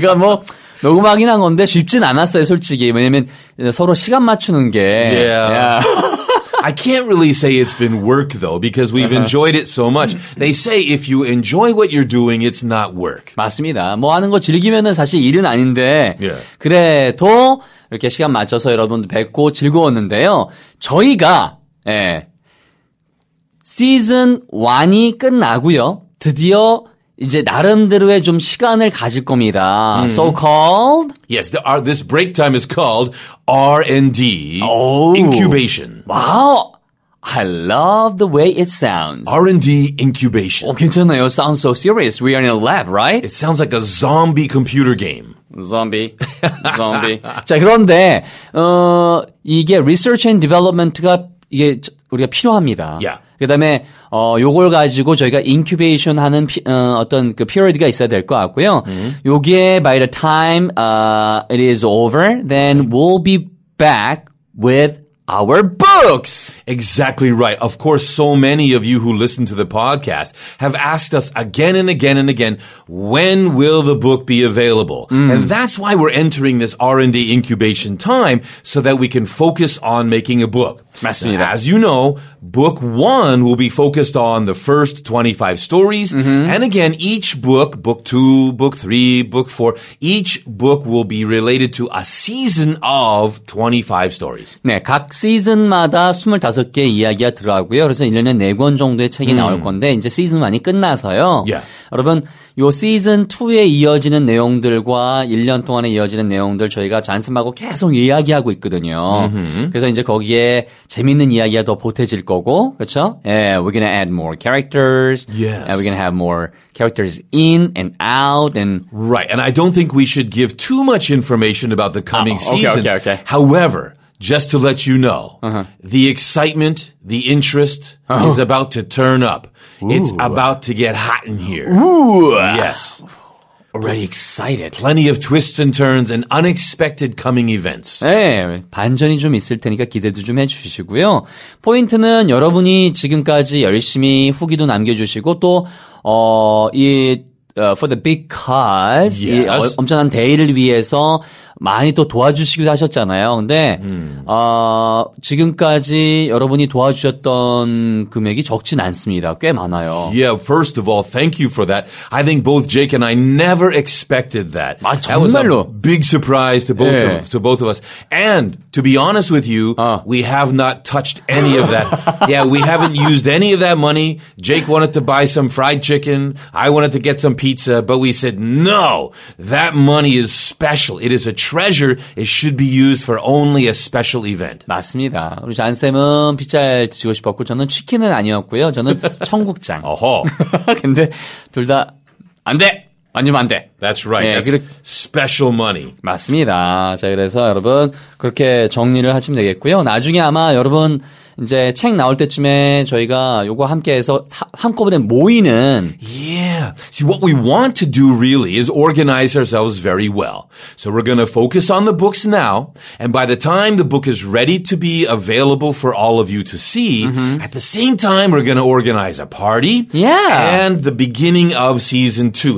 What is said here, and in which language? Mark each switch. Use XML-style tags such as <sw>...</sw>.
<ko>그러니까 뭐 녹음하긴 한 건데 쉽진 않았어요, 솔직히. 왜냐면 서로 시간 맞추는 게.</ko> <en>Yeah. Yeah. I can't really say it's been work, though, because we've enjoyed it so much. They say if you enjoy what you're doing, it's not work.</en> <ko>맞습니다. 뭐 하는 거 즐기면은 사실 일은 아닌데.</ko> <en>Yeah.</en> <ko>그래도 이렇게 시간 맞춰서 여러분들 뵙고 즐거웠는데요. 저희가 예, 시즌 1이 끝나고요. 드디어 이제 나름대로의 좀 시간을 가질 겁니다.</ko> <en>Mm. So called? Yes, this break time is called R&D Incubation. Wow, I love the way it sounds. R&D Incubation.</en> <ko>오, 괜찮아요.</ko> <en>Sounds so serious. We are in a lab, right? It sounds like a zombie computer game.</en> <ko>Zombie. 자, 그런데 이게</ko> <en>research and development</en> <ko>가 이게 우리가 필요합니다.</ko> <en>Yeah.</en> <ko>그다음에 요걸 가지고 저희가 인큐베이션 하는 어떤 그 피리어드가 있어야 될 것 같고요. 요게</ko> <en>by the time it is over, then we'll be back with our books. Exactly right. Of course, so many of you who listen to the podcast have asked us again and again and again, when will the book be available? And that's why we're entering this R&D incubation time so that we can focus on making a book.</en> <ko>맞습니다.</ko> <en>As you know, book one will be focused on the first 25 stories. Mm-hmm. And again, each book, book two, book three, book four, each book will be related to a season of 25 stories.</en> <ko>네, 각 시즌마다 25개 이야기가 들어가고요. 그래서 1년에 4권 정도의 책이 나올 건데 이제 시즌1이 끝나서요.</ko> <en>Yeah.</en> <ko>여러분, 요 시즌2에 이어지는 내용들과 1년 동안에 이어지는 내용들 저희가 잔슴하고 계속 이야기하고 있거든요. Mm-hmm. 그래서 이제 거기에 재밌는 이야기가 더 보태질 거고, 그렇죠?</ko> <en>Yeah, we're going to add more characters. Yes. And we're going to have more characters in and out. And right. And I don't think we should give too much information about the coming seasons. Okay. However, just to let you know, uh-huh. the excitement, the interest is about to turn up. Ooh. It's about to get hot in here. Ooh. Yes. Already excited. Plenty of twists and turns and unexpected coming events.</en> <ko>네, 반전이 좀 있을 테니까 기대도 좀 해주시고요. 포인트는 여러분이 지금까지 열심히 후기도 남겨주시고 또</ko> <en>for the big cause, yes.</en> <ko>엄청난 대의를 위해서 많이 또 도와주시기도 하셨잖아요. 근데 지금까지 여러분이 도와주셨던 금액이 적진 않습니다. 꽤 많아요.</ko> <en>Yeah, first of all, thank you for that. I think both Jake and I never expected that.</en> <ko>아, 정말로.</ko> <en>That was a big surprise to both,</en> <ko>네.</ko> <en>of, to both of us. And to be honest with you, 어. we have not touched any of that. yeah, we haven't used any of that money. Jake wanted to buy some fried chicken. I wanted to get some pizza. But we said, no, that money is special. It is a treasure. It should be used for only a special event.</en> <ko>맞습니다. 우리 잔쌤은 피자를 드시고 싶었고 저는 치킨은 아니었고요. 저는 청국장. 어허. 근데 둘 다 안 돼. 만지면 안 돼.</ko> <en>That's right.</en> <ko>네,</ko> <en>That's</en> <ko>그리고,</ko> <en>special money.</en> <ko>맞습니다. 자, 그래서 여러분 그렇게 정리를 하시면 되겠고요. 나중에 아마 여러분 이제 책 나올 때쯤에 저희가 요거 함께해서 한꺼번에 모이는</ko> <en>Yeah. See, what we want to do really is organize ourselves very well. So we're going to focus on the books now. And by the time the book is ready to be available for all of you to see, mm-hmm. at the same time, we're going to organize a party. Yeah. And the beginning of season two.</en>